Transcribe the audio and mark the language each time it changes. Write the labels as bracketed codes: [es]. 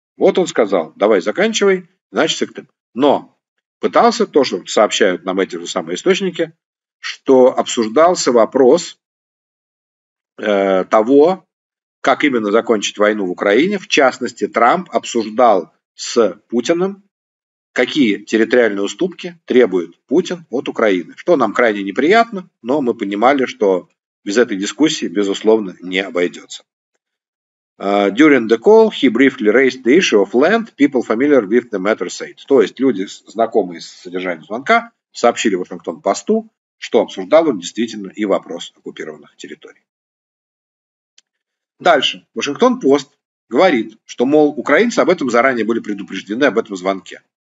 [ru] Вот он сказал, давай заканчивай, иначе сыктым. Но пытался, то, что сообщают нам эти же самые источники, что обсуждался вопрос того, как именно закончить войну в Украине. В частности, Трамп обсуждал с Путиным, какие территориальные уступки требует Путин от Украины. Что нам крайне неприятно, но мы понимали, что без этой дискуссии, безусловно, не обойдется. [en] During the call, he briefly raised the issue of land, people familiar with the matter said. [ru] То есть люди, знакомые с содержанием звонка, сообщили Вашингтон-Посту, что обсуждал он действительно и вопрос оккупированных территорий. Дальше. Вашингтон-Пост говорит, что, мол, украинцы об этом заранее были предупреждены, об этом звонке.